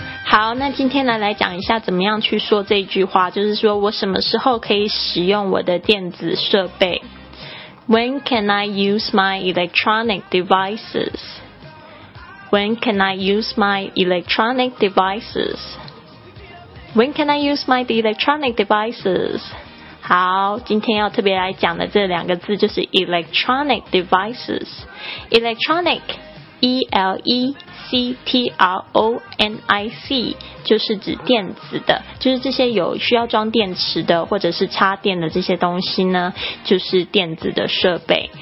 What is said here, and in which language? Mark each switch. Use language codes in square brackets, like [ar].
[zh] 好，那今天来讲一下怎么样去说这句话，就是说我什么时候可以使用我的电子设备。 [en] When can I use my electronic devices? When can I use my electronic devices? When can I use my electronic devices? [zh] 好，今天要特别来讲的这两个字就是 electronic devices. Electronic, E-L-E-C-T-R-O-N-I-C, 就是指电子的，就是这些有需要装电池的或者是插电的这些东西呢，就是电子的设备。